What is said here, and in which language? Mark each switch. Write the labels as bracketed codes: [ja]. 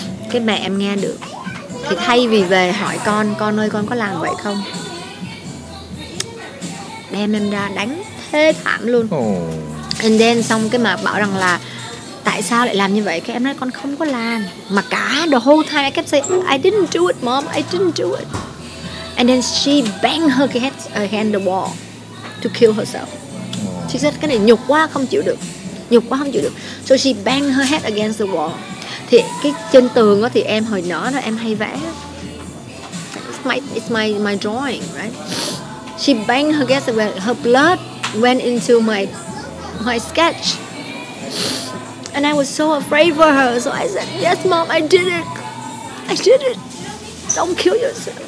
[vi] Cái mẹ em nghe được thì thay vì về hỏi con ơi con có làm vậy không, đem em ra đánh thê thảm luôn. [en] Oh. And then [vi] xong cái mà bảo rằng là tại sao lại làm như vậy, cái em nói con không có làm. Mà cả [en] the whole time I kept saying I didn't do it mom, I didn't do it. And then she banged her head against the wall to kill herself. She said [vi] cái này nhục quá không chịu được, nhục quá không chịu được. [en] So she banged her head against the wall. [vi] Thì cái trên tường á thì em hồi nhỏ đó em hay vẽ. [en] It's my drawing, right? She banged her against the wall, her blood went into my sketch. And I was so afraid for her, so I said, "Yes, mom, I did it. I did it. Don't kill yourself.